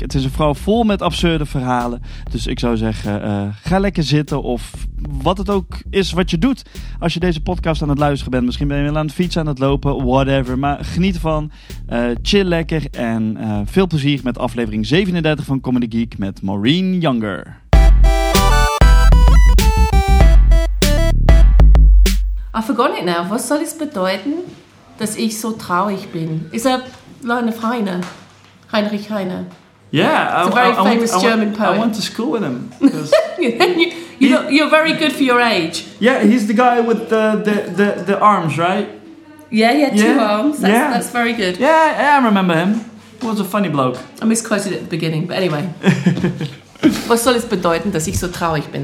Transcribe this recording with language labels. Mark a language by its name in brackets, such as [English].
[Dutch] Het is een vrouw vol met absurde verhalen, dus ik zou zeggen ga lekker zitten of wat het ook is wat je doet. Als je deze podcast aan het luisteren bent, misschien ben je wel aan het fietsen, aan het lopen, whatever. Maar geniet ervan, chill lekker en veel plezier met aflevering 37 van Comedy Geek met Maureen Younger. [German] Ich vergesse nicht mehr, was soll es bedeuten, dass ich so traurig bin? Ist er Leine Heine? Heinrich Heine? [English] Yeah, it's a very famous German poet. I went to school with him. you're very good for your age. Yeah, he's the guy with the arms, right? Yeah, he had two arms. That's very good. Yeah, I remember him. He was a funny bloke. I misquoted it at the beginning, but anyway. [German] Was soll es bedeuten, dass ich so traurig bin?